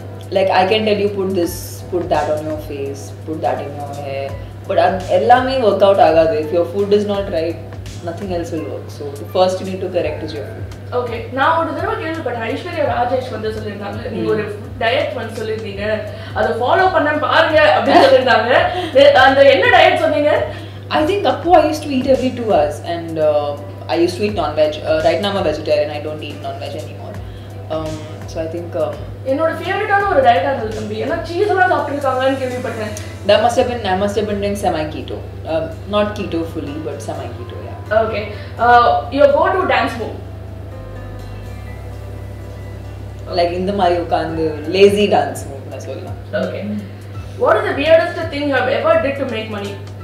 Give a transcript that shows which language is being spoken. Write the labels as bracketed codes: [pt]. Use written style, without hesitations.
[en] like, I can tell you, put this, put that on your face, put that in your hair. But [ta] எல்லாமே work out ஆகாது [en] if your food is not right nothing else will work so first you need to correct is your food [ta] okay நான் ஒரு தடவை கேள்விப்பட்டேன் ஐஸ்வர்யா ராஜேஷ் வந்து சொல்லியிருந்தாங்க நீங்க ஒரு டயட் வந்து சொல்லியிருந்தீங்க அதை ஃபாலோ பண்ண பாருங்க அப்படின்னு சொல்லியிருந்தாங்க அந்த என்ன டயட் சொன்னீங்க [en] I think [ta] அப்போ [en] I used to eat every 2 hours and I used to eat non-veg. Right now I'm a vegetarian, I don't eat non-veg anymore. So I think [ta] என்னோட ஃபேவரட்டான ஒரு டயட் அது தம்பி ஏன்னா சீஸ் எல்லாம் சாப்பிட்டுருக்காங்கன்னு கேள்விப்பட்டேன் [en] That must have been, I must have been doing semi-keto. Not keto fully, but semi-keto, yeah. Okay. Your go-to dance move? Like, in the Mario Kart, lazy dance move, that's all. Okay. What is the weirdest thing you have ever did to make money?